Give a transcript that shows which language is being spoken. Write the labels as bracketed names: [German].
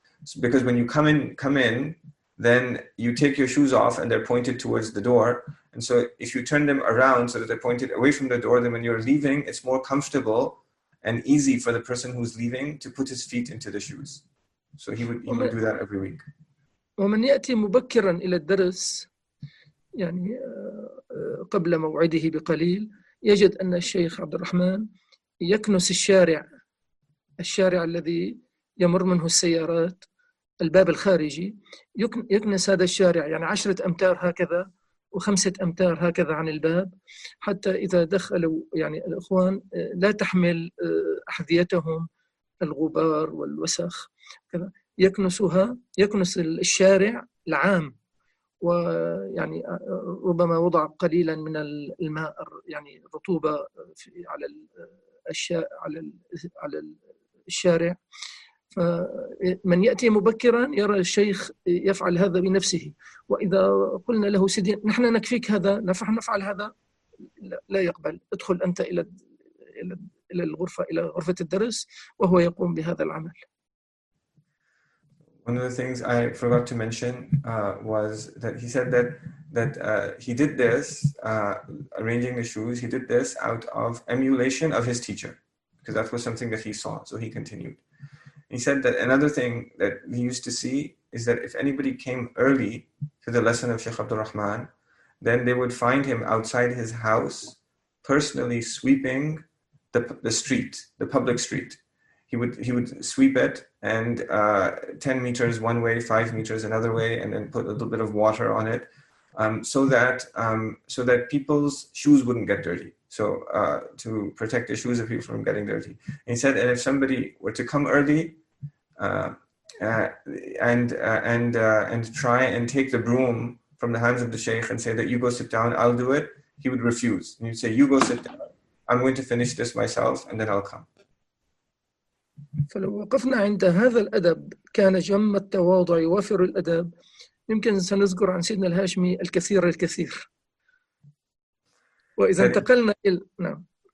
[English] So because when you come in, then you take your shoes off and they're pointed towards the door. And so if you turn them around so that they're pointed away from the door, then when you're leaving, it's more comfortable and easy for the person who's leaving to put his feet into the shoes. So he would do that every week. [Arabic] ومن يأتي مبكرا إلى الدرس يعني قبل موعده بقليل يجد أن الشيخ عبد الرحمن يكنس الشارع الذي يمر منه السيارات الباب الخارجي يكنس هذا الشارع يعني 10 أمتار هكذا و5 أمتار هكذا عن الباب حتى إذا دخلوا يعني الإخوان لا تحمل أحذيتهم الغبار والوسخ كذا يكنس الشارع العام ويعني ربما وضع قليلا من الماء يعني رطوبة على الأشياء على الشارع فمن يأتي مبكرا يرى الشيخ يفعل هذا بنفسه وإذا قلنا له سيدي نحن نكفيك هذا نحن نفعل هذا لا يقبل ادخل أنت إلى الغرفة إلى غرفة الدرس وهو يقوم بهذا العمل. [English] One of the things I forgot to mention was that he said that he did this arranging the shoes. He did this out of emulation of his teacher because that was something that he saw. So he continued. He said that another thing that he used to see is that if anybody came early to the lesson of Sheikh Abdul Rahman, then they would find him outside his house, personally sweeping the public street. He would sweep it and 10 meters one way, 5 meters another way, and then put a little bit of water on it so that people's shoes wouldn't get dirty. So to protect the shoes of people from getting dirty. And he said, and if somebody were to come early, and try and take the broom from the hands of the sheikh and say that you go sit down, I'll do it, he would refuse. And he'd say, you go sit down, I'm going to finish this myself and then I'll come. [Arabic] فلو وقفنا عند هذا الأدب كان جم التواضع يوفر الأدب يمكن سنذكر عن سيدنا الهاشمي الكثير الكثير وإذا انتقلنا إلى نعم